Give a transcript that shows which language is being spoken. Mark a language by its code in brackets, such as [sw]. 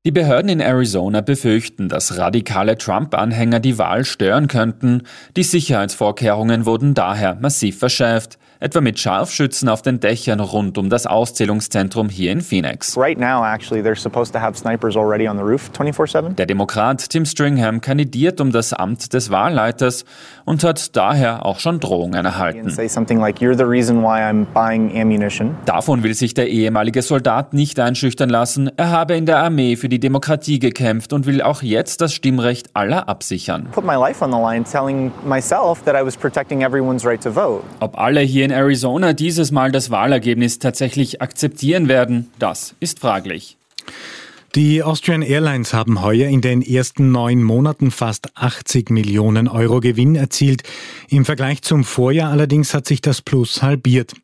[de] Die Behörden in Arizona befürchten, dass radikale Trump-Anhänger die Wahl stören könnten. Die Sicherheitsvorkehrungen wurden daher massiv verschärft. etwa mit Scharfschützen auf den Dächern rund um das Auszählungszentrum hier in Phoenix. [en] Right now actually they're supposed to have snipers already on the roof 24/7. [de] Der Demokrat Tim Stringham kandidiert um das Amt des Wahlleiters und hat daher auch schon Drohungen erhalten. [en] Say something like, you're the reason why I'm buying ammunition. [de] Davon will sich der ehemalige Soldat nicht einschüchtern lassen. Er habe in der Armee für die Demokratie gekämpft und will auch jetzt das Stimmrecht aller absichern. [en] Put my life on the line telling myself that I was protecting everyone's right to vote. [de] Ob alle hier in Arizona dieses Mal das Wahlergebnis tatsächlich akzeptieren werden, das ist fraglich. Die Austrian Airlines haben heuer in den ersten 9 Monaten fast 80 Millionen Euro Gewinn erzielt. Im Vergleich zum Vorjahr allerdings hat sich das Plus halbiert.